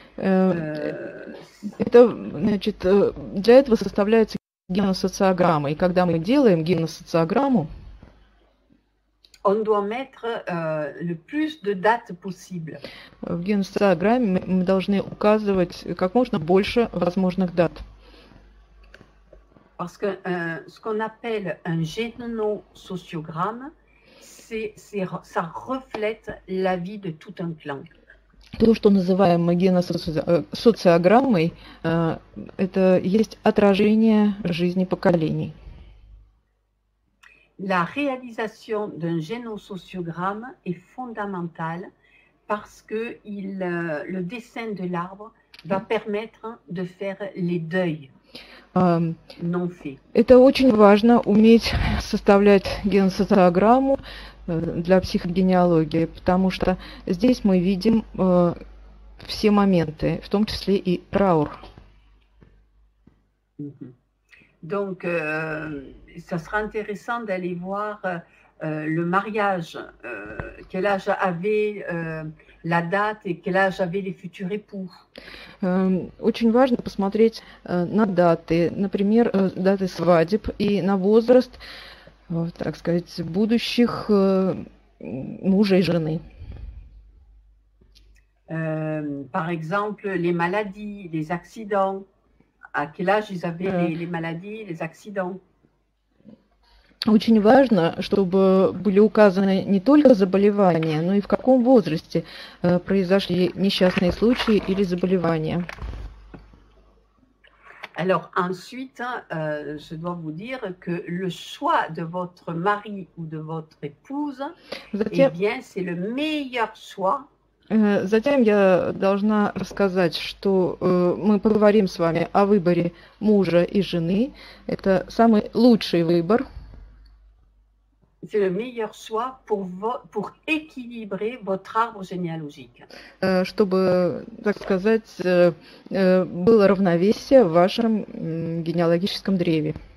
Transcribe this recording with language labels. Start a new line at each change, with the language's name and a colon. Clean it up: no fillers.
Russian: это значит для этого составляется геносоциограмма, и когда мы делаем геносоциограмму,
French: on doit mettre le plus de dates possible.
Russian: В геносоциограмме мы должны указывать как можно больше возможных дат.
French: Parce que ce qu'on appelle un génosociogramme, ça reflète la vie de tout un clan.
Russian: То, что называем мы геносоциограммой, это есть отражение жизни поколений.
French: La réalisation d'un génosociogramme est fondamentale parce que le dessin de l'arbre va permettre de faire les deuils non faits.
Russian: Это очень важно уметь составлять геносоциограмму для психогенеалогии, потому что здесь мы видим все моменты, в том числе и траур.
French: Donc, ça sera intéressant d'aller voir le mariage, quel âge avait la date et quel âge avaient les futurs époux.
Russian: Очень важно посмотреть на даты, например, даты свадеб и на возраст, так сказать, будущих мужа и жены.
French: Par exemple, les maladies, les accidents. À quel âge ils avaient les maladies, les accidents?
Russian: Очень важно, чтобы были указаны не только заболевания, но и в каком возрасте произошли несчастные случаи или заболевания.
French: Alors ensuite, je dois vous dire que le choix de votre mari ou de votre épouse, eh bien, c'est le meilleur choix.
Russian: Затем я должна рассказать, что мы поговорим с вами о выборе мужа и жены. Это самый лучший выбор.
French: C'est le meilleur choix pour équilibrer votre arbre généalogique.
Russian: Чтобы, так сказать, было равновесие в вашем генеалогическом древе.